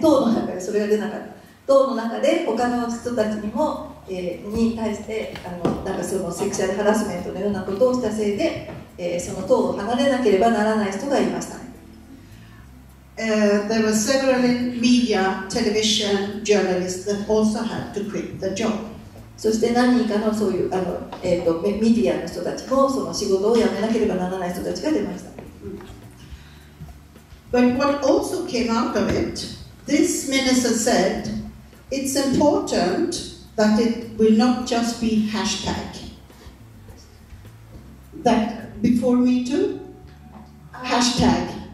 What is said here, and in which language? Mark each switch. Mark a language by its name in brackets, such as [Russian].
[Japanese] 党の中でそれが出なかった。党の中で他の人たちにも、に対してなんかそのセクシャルハラスメントのようなことをしたせいで。その党を離れなければならない人がいました。 [English] There were several in media, television, journalists that also had to quit the job. [Japanese] そして何人かのそういうメディアの人たちもその仕事を辞めなければならない人たちが出ました。 [English] But what also came out of it, this minister said, it's important that it will not just be hashtag. That. Before me too? Hashtag.